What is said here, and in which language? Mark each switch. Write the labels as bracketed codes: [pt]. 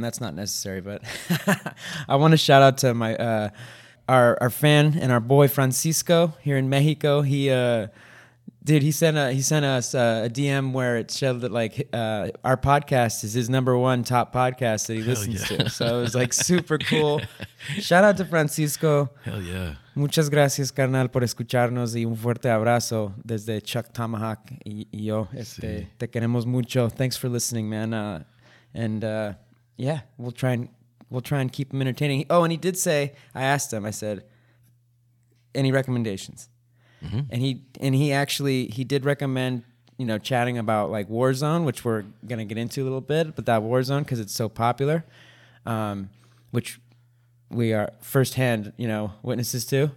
[en] That's not necessary, but I want to shout out to my, our fan and our boy Francisco here in Mexico. Dude, he sent us a DM where it showed that like our podcast is his number one top podcast that he listens to. So it was like super cool. Shout out to Francisco. Hell yeah. [es] Muchas gracias, carnal, por escucharnos y un fuerte abrazo desde Chuck Tomahawk y yo. Este, sí. Te queremos mucho. [en] Thanks for listening, man. We'll try and keep him entertaining. Oh, and he did say, I asked him, I said, any recommendations? Mm-hmm. And he did recommend, you know, chatting about like Warzone, which we're going to get into a little bit, but that Warzone, cause it's so popular, which we are firsthand, you know, witnesses to.